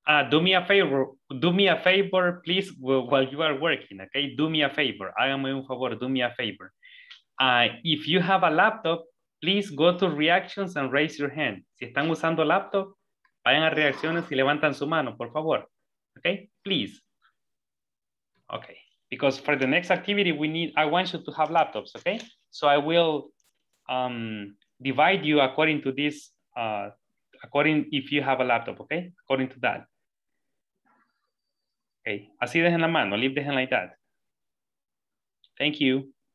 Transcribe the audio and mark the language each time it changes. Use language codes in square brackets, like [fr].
[en] Do me a favor, please, while you are working, okay? Do me a favor. [es] Hágame un favor, [en] do me a favor. If you have a laptop, please go to reactions and raise your hand. [es] Si están usando laptop, vayan a reacciones y levantan su mano, por favor. [en] Okay, please. Okay, because for the next activity, I want you to have laptops, okay? So I will divide you according to this, according if you have a laptop, okay? According to that. Okay, [es] así dejen la mano, [en] leave the hand like that. Thank you.